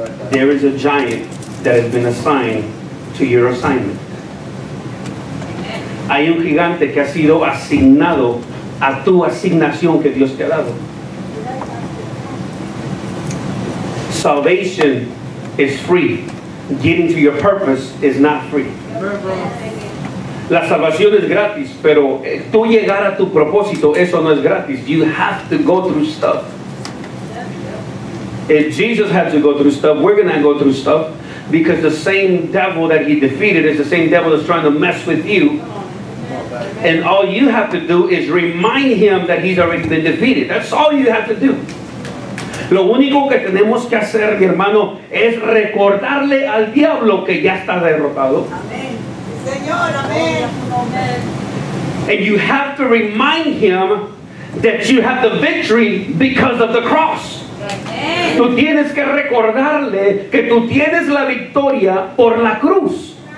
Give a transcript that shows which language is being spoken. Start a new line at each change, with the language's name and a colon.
English: There is a giant that has been assigned to your assignment.
Spanish: Hay un gigante que ha sido asignado a tu asignación que Dios te ha dado.
English: Salvation is free. Getting to your purpose is not free.
Spanish: La salvación es gratis, pero tú llegar a tu propósito, eso no es gratis.
English: You have to go through stuff. If Jesus had to go through stuff, we're going to go through stuff, because the same devil that he defeated is the same devil that's trying to mess with you. And all you have to do is remind him that he's already been defeated. That's all you have to do.
Spanish: Lo único que tenemos que hacer, mi hermano, es recordarle al diablo que ya está derrotado.
English: And you have to remind him that you have the victory because of the cross.
Spanish: Tú tienes que recordarle que tú tienes la victoria por la cruz.